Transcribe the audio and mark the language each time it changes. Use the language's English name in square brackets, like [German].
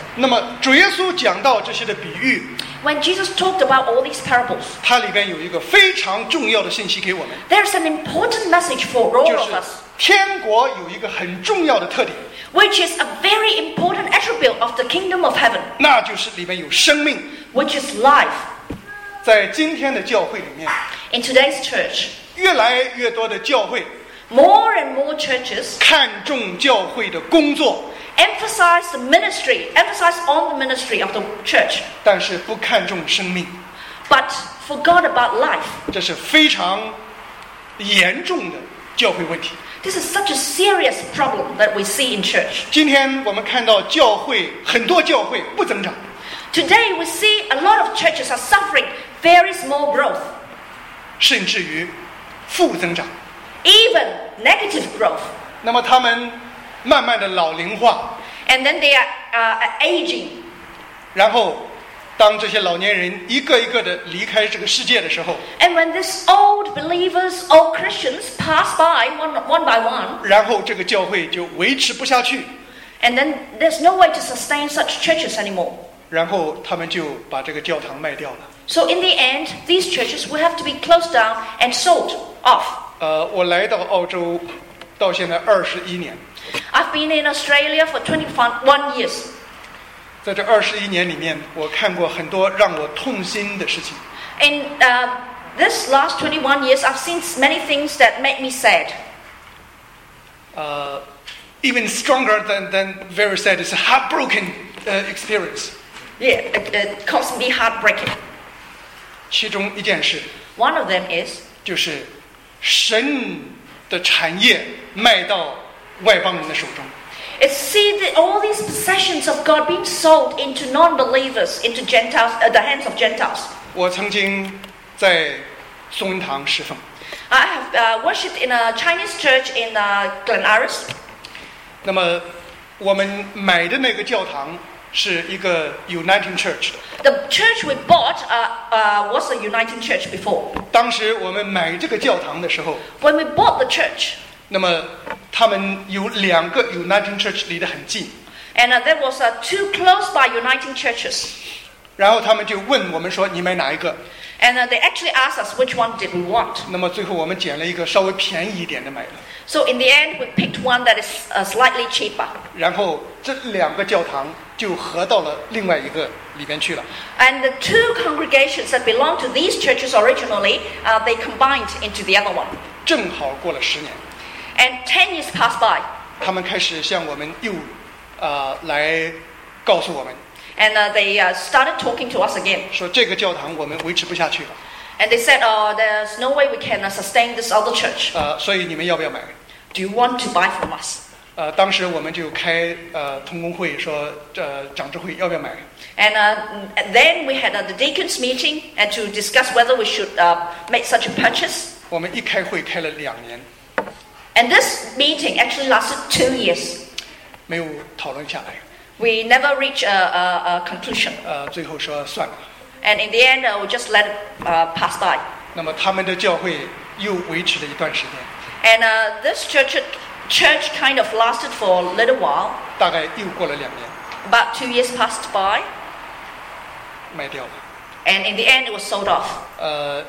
[Chinese] 那么主耶稣讲到这些的比喻。 [English] When Jesus talked about all these parables. [Chinese] 它里边有一个非常重要的信息给我们。 [English] There's an important message for all of us. [Chinese] 天国有一个很重要的特点。 [English] Which is a very important attribute of the kingdom of heaven. [Chinese] 那就是里面有生命。 [English] Which is life. [Chinese] 在今天的教会里面。 [English] In today's church. [Chinese] 越来越多的教会。 [English] More and more churches. [Chinese] 看重教会的工作。 [English] Emphasize the ministry. Emphasize on the ministry of the church. [Chinese] 但是不看重生命。 [English] But forgot about life. [Chinese] 这是非常严重的教会问题。 [English] This is such a serious problem that we see in church. [Chinese] 今天我们看到教会，很多教会不增长。 [English] Today we see a lot of churches are suffering very small growth. [Chinese] 甚至于负增长 [English] even negative growth. [Chinese] 那么他们慢慢的老龄化 [English] and then they are aging. [Chinese] 然后当这些老年人一个一个的离开这个世界的时候 [English] and when these old believers, old Christians pass by one by one, [Chinese] 然后这个教会就维持不下去 [English] and then there's no way to sustain such churches anymore. [Chinese] 然后他们就把这个教堂卖掉了 [English] So in the end, these churches will have to be closed down and sold off. [Chinese] 我来到澳洲到现在21年 [English] I've been in Australia for 21 years. [Chinese] 在这21年里面我看过很多让我痛心的事情 [English] In this last 21 years I've seen many things that made me sad Even stronger than very sad is a heartbroken experience Yeah, it constantly heartbreaking [Chinese] 其中一件事 [English] One of them is [Chinese] 就是神的产业卖到外邦人的手中 [English] It's see that all these possessions of God being sold into non-believers, into Gentiles, the hands of Gentiles. [Chinese] 我曾经在松恩堂侍奉。 [English] I have worshipped in a Chinese church in Glen Iris. [Chinese] 那么我们买的那个教堂是一个 Uniting Church 的。 [English] The church we bought was a Uniting Church before. [Chinese] 当时我们买这个教堂的时候。 [English] When we bought the church. [Chinese] 那么他们有两个 Uniting Church 离得很近 [English] And there was two close by Uniting Churches [Chinese] 然后他们就问我们说你买哪一个 [English] And they actually asked us which one did we want [Chinese] 那么最后我们捡了一个稍微便宜一点的买了 [English] So in the end we picked one that is slightly cheaper [Chinese] 然后这两个教堂就合到了另外一个里边去了 [English] And the two congregations that belonged to these churches originally they combined into the other one [Chinese] 正好过了十年 [English] And 10 years passed by. [Chinese] 他们开始向我们又来告诉我们。 [English] And they started talking to us again. [Chinese] 说这个教堂我们维持不下去了。 [English] And they said, oh, there's no way we can sustain this other church. [Chinese] 所以你们要不要买 [English] Do you want to buy from us? [Chinese] 当时我们就开同工会说长执会要不要买 [English] And then we had the deacons meeting and to discuss whether we should make such a purchase. [Chinese] 我们一开会开了两年。 [English] And this meeting actually lasted 2 years. [Chinese] 没有讨论下来。 [English] We never reached a conclusion. [Chinese] 最后说算了。 [English] And in the end, we just let it pass by. [Chinese] 那么他们的教会又维持了一段时间。 [English] And this church kind of lasted for a little while. [Chinese] 大概又过了两年。 [English] About 2 years passed by. [Chinese] 卖掉了。 [English] And in the end, it was sold off.